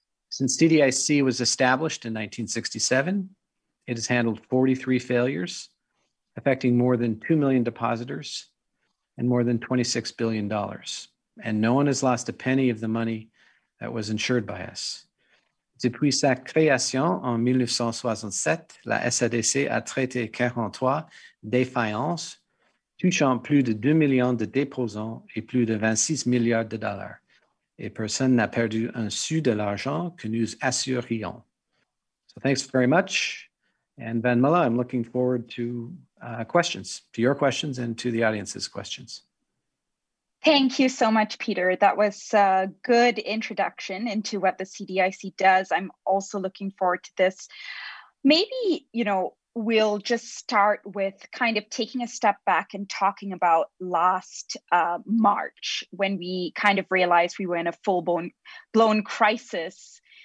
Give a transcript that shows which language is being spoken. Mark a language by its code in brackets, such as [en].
[en] Since CDIC was established in 1967, it has handled 43 failures, affecting more than 2 million depositors and more than $26 billion. And no one has lost a penny of the money that was insured by us. [fr] Depuis sa création en 1967, la SADC a traité 43 défaillances, touchant plus de 2 millions de déposants et plus de 26 milliards de dollars. Et personne n'a perdu un sou de l'argent que nous assurions. [en] So thanks very much. And Van Mulla, I'm looking forward to questions, to your questions and to the audience's questions. Thank you so much, Peter. That was a good introduction into what the CDIC does. I'm also looking forward to this. Maybe, you know, we'll just start with kind of taking a step back and talking about last March when we kind of realized we were in a full-blown crisis.